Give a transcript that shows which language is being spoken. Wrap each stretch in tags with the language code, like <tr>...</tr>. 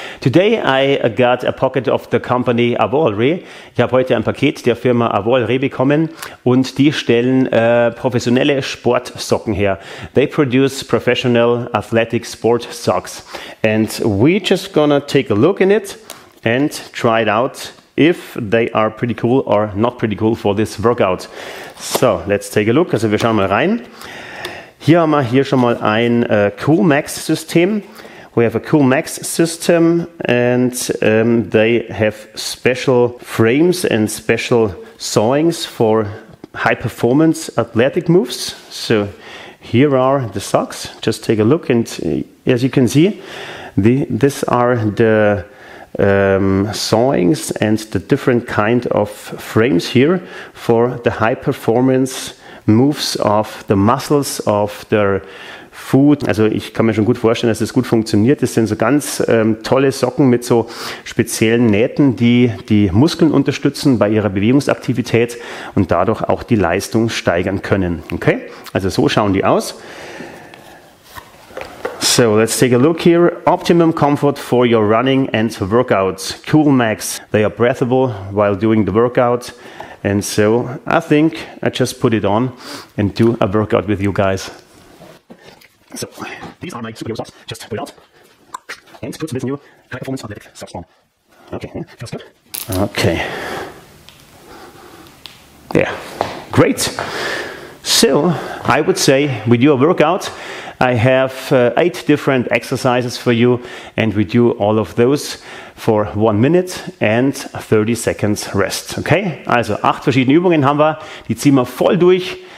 <en>Today I got a pocket of the company AVOALRE.</en> <de>Ich habe heute ein Paket der Firma AVOALRE bekommen und die stellen professionelle Sportsocken her.</de> <en>They produce professional athletic sport socks. And we're just gonna take a look in it and try it out if they are pretty cool or not pretty cool for this workout. So, let's take a look.</en> <de>Also wir schauen mal rein. Hier haben wir hier schon mal ein Cool-Max-System.</de> <en>We have a Cool-Max-System and they have special frames and special sawings for high-performance athletic moves. So here are the socks. Just take a look and as you can see, these are the sawings and the different kind of frames here for the high-performance moves of the muscles of the foot.</en> <de>Also ich kann mir schon gut vorstellen, dass das gut funktioniert. Das sind so ganz tolle Socken mit so speziellen Nähten, die die Muskeln unterstützen bei ihrer Bewegungsaktivität und dadurch auch die Leistung steigern können. Okay, also so schauen die aus.</de> <en>So, let's take a look here. Optimum comfort for your running and workouts. Cool Max. They are breathable while doing the workout. And so I think I just put it on and do a workout with you guys. So these are my superhero socks. Just put it out and put this new high performance athletic socks on. Okay, feels good. Okay. Yeah, great. So I would say we do a workout. I have 8 different exercises for you and we do all of those for 1 minute and 30 seconds rest.</en> <de>Okay, also 8 verschiedene Übungen haben wir, die ziehen wir voll durch.</de>